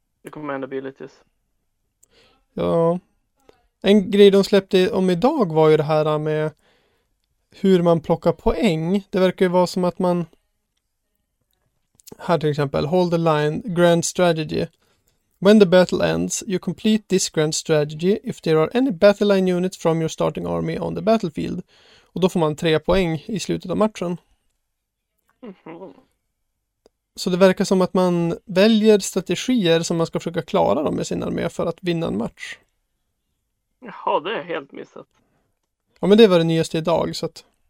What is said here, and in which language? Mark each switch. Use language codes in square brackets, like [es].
[en] Command abilities. [sv] Ja. En grej de släppte om idag var ju det här med hur man plockar poäng. Det verkar ju vara som att man här till exempel, hold the line, grand strategy. [en] When the battle ends, you complete this grand strategy if there are any battle line units from your starting army on the battlefield. [sv] Och då får man 3 poäng i slutet av matchen. Så det verkar som att man väljer strategier som man ska försöka klara dem med sin armé för att vinna en match. Jaha, det är helt missat. Ja, men det var det nyaste idag, så att